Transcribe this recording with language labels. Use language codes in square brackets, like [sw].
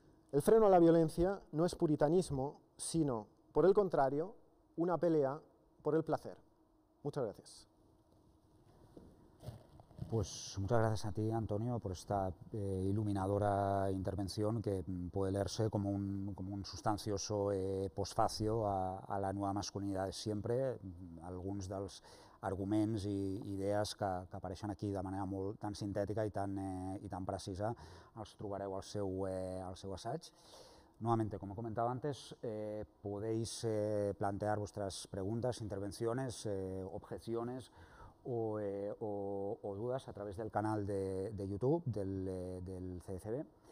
[es] El freno a la violencia no es puritanismo, sino, por el contrario, una pelea por el placer. Muchas gracias. Pues muchas gracias a ti, Antonio, por esta iluminadora intervención que puede leerse como un sustancioso posfacio a la nueva masculinidad de siempre. [ca] Alguns dels arguments i idees que apareixen aquí de manera molt tan sintètica i tan precisa els trobareu al seu assaig. [es] Nuevamente, como comentaba antes, podéis plantear vuestras preguntas, intervenciones, objeciones o dudas a través del canal de YouTube del CCB.